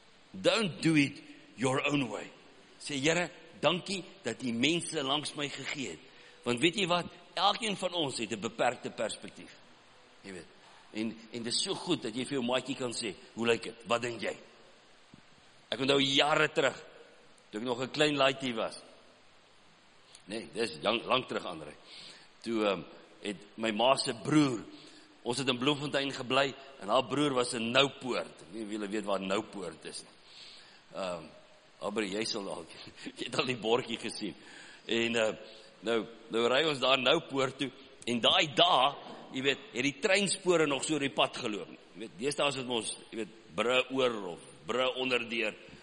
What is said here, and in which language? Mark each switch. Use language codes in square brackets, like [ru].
[en] Don't do it your own way. [af] Sê, Here, dankie dat die mense langs my gegee het. Want weet jy wat, elkeen van ons het 'n beperkte perspektief. Jy weet. En dit is so goed dat jy vir jou maatjie kan sê, hoe lyk dit? Wat dink jy? Ek onthou jare terug, toe ek nog 'n klein laaitjie was. Nee, dis lank terug, André. Toe het my ma se broer, ons het in Bloemfontein gebly, en haar broer was in Noupoort. Ek weet nie of julle weet waar Noupoort is. Abri, jy sal al, jy het al die bordjie gesien. En nou ry ons daar Noupoort toe, en daai dag, jy weet, het die treinspore nog so oor die pad geloop. Jy weet, deesdae het ons, jy weet, bru oor of bru onderdeur.